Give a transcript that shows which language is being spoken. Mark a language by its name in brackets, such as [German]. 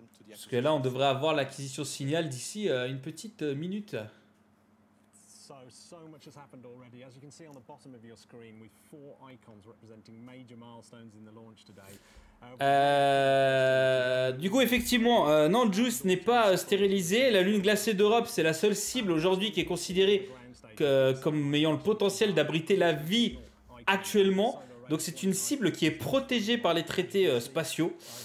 [French] Parce que là, on devrait avoir l'acquisition signal d'ici une petite minute. [English] So much has happened already. As you can see on the bottom of your screen, we have four icons representing major milestones in the launch today. [French] Du coup, effectivement, non, Juice n'est pas stérilisée. La lune glacée d'Europe, c'est la seule cible aujourd'hui qui est considérée comme ayant le potentiel d'abriter la vie actuellement. Donc c'est une cible qui est protégée par les traités spatiaux.